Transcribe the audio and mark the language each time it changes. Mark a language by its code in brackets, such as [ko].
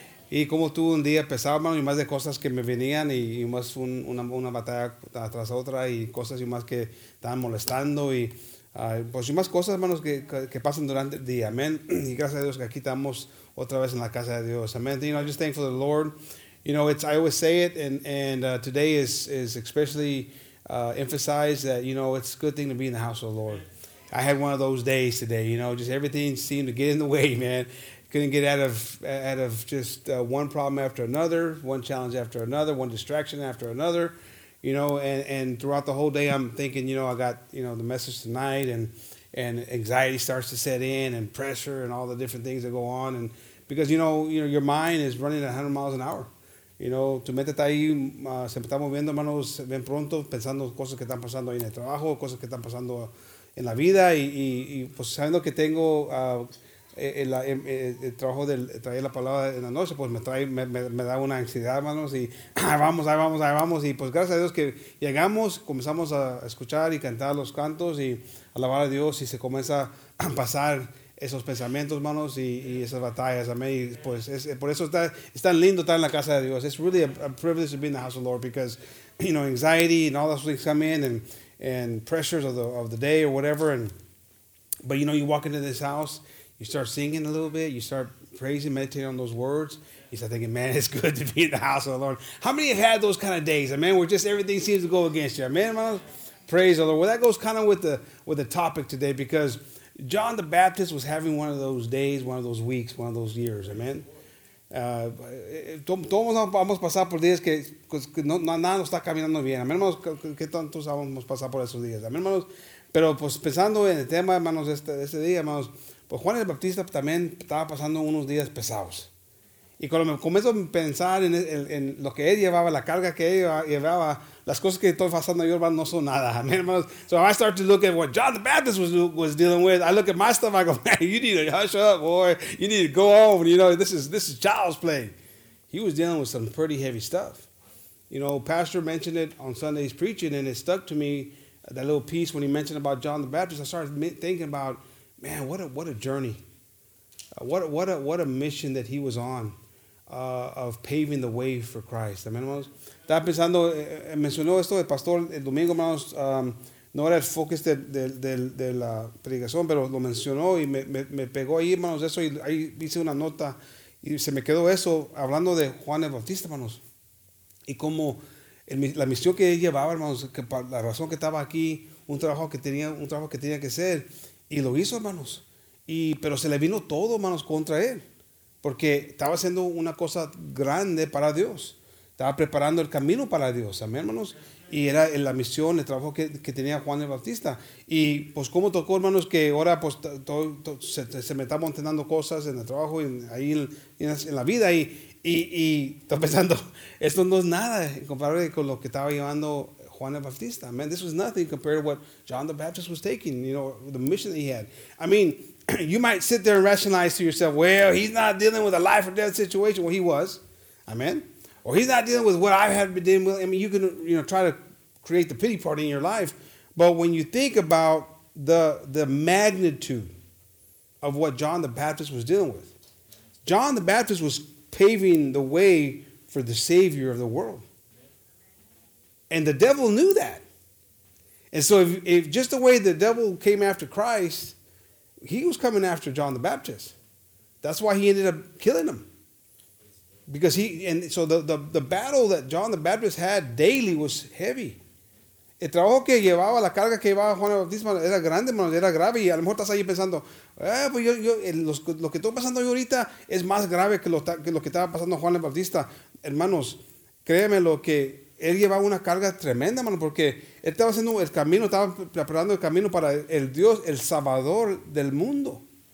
[es] Y como tuve un día pesado, hermano, y más de cosas que me venían y más una batalla tras otra y cosas y más que estaban molestando y pues y más cosas, hermanos, que pasan durante el día, amén. Y gracias a Dios que aquí estamos otra vez en la casa de Dios, amén. [en] You know, I just thank for the Lord. You know, it's I always say it, and today is especially emphasize that, you know, it's a good thing to be in the house of the Lord. I had one of those days today, you know, just everything seemed to get in the way, man. Couldn't get out of just one problem after another, one challenge after another, one distraction after another, you know, and throughout the whole day I'm thinking, you know, I got, you know, the message tonight and anxiety starts to set in and pressure and all the different things that go on. And because, you know, your mind is running at 100 miles an hour. You know, [es] tu mente está ahí, se está moviendo, hermanos, bien pronto, pensando cosas que están pasando ahí en el trabajo, cosas que están pasando en la vida, y pues sabiendo que tengo el trabajo de traer la palabra en la noche, pues me da una ansiedad, hermanos, y ahí vamos, y pues gracias a Dios que llegamos, comenzamos a escuchar y cantar los cantos y alabar a Dios, y se comienza a pasar esos pensamientos, manos, y esas batallas, amén. Y pues por eso está lindo estar en la casa de Dios. [en] It's really a privilege to be in the house of the Lord because, you know, anxiety and all those things come in and pressures of the day or whatever. But, you know, you walk into this house, you start singing a little bit, you start praising, meditating on those words. You start thinking, man, it's good to be in the house of the Lord. How many have had those kind of days, amen, where just everything seems to go against you, amen, manos? Praise the Lord. Well, that goes kind of with the topic today because John the Baptist was having one of those days, one of those weeks, one of those years. Amen. [es] Todos vamos a pasar por días que nada nos está caminando bien. Amén, hermanos. ¿Qué tantos vamos a pasar por esos días? Amén, hermanos. Pero pues pensando en el tema, hermanos, este día, hermanos, pues Juan el Bautista también estaba pasando unos días pesados. Y cuando me comienzo a pensar en lo que él llevaba, la carga que él llevaba, las cosas que estoy pasando yo, hermano, no son nada. Amén, hermanos. [en] So I start to look at what John the Baptist was dealing with. I look at my stuff, I go, man, you need to hush up, boy. You need to go home. You know, this is child's play. He was dealing with some pretty heavy stuff. You know, Pastor mentioned it on Sunday's preaching, and it stuck to me, that little piece when he mentioned about John the Baptist. I started thinking about, man, what a journey. What a mission that he was on of paving the way for Christ. [es] Amén, hermanos. Estaba pensando, mencionó esto el pastor el domingo, hermanos, no era el focus de la predicación, pero lo mencionó y me pegó ahí, hermanos, eso, y ahí hice una nota y se me quedó eso, hablando de Juan el Bautista, hermanos, y como la misión que él llevaba, hermanos, que la razón que estaba aquí, un trabajo que tenía que hacer, y lo hizo, hermanos, pero se le vino todo, hermanos, contra él, porque estaba haciendo una cosa grande para Dios. Estaba preparando el camino para Dios, amén, hermanos. Y era la misión, el trabajo que tenía Juan el Bautista. Y pues cómo tocó, hermanos, que ahora pues se me está montando cosas en el trabajo y ahí en la vida. Y estoy pensando, esto no es nada comparable con lo que estaba llevando Juan el Bautista. [en] Man, this was nothing compared to what John the Baptist was taking, you know, the mission that he had. I mean, you might sit there and rationalize to yourself, well, he's not dealing with a life or death situation. Well, he was. Amen. Or he's not dealing with what I had been dealing with. I mean, you can, you know, try to create the pity party in your life. But when you think about the magnitude of what John the Baptist was dealing with, John the Baptist was paving the way for the Savior of the world. And the devil knew that. And so if just the way the devil came after Christ, he was coming after John the Baptist. That's why he ended up killing him. Because he, and so the battle that John the Baptist had daily was heavy. [es] El trabajo que llevaba, la carga que llevaba Juan el Bautista era grande, era grave. Y a lo mejor estás ahí pensando, pues lo que estoy pasando yo ahorita es más grave que lo que estaba pasando Juan el Bautista. Hermanos, créeme lo que él llevaba una carga tremenda, hermano, porque él estaba haciendo el camino, estaba preparando el camino para el Dios, el Salvador del mundo.